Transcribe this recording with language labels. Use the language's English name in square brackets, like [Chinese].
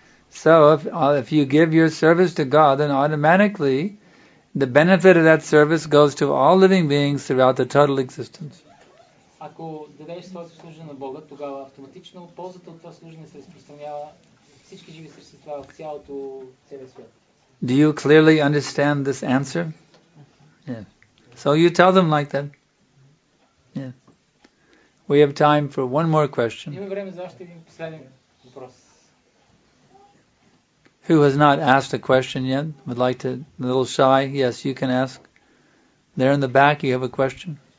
[English] So if you give your service to God, then automatically the benefit of that service goes to all living beings throughout the total existence. [Bulgarian] Ако дадеш своето служение на Бога, тогава автоматично ползата от това служение се разпространява всички живи същества в цялото целия свят. [English] Do you clearly understand this answer? Yeah. So you tell them like that. Yeah. We have time for one more question. [Bulgarian] Имаме време за още един последен въпрос. [English] Who has not asked a question yet? Would like to, a little shy? Yes, you can ask. There in the back, you have a question?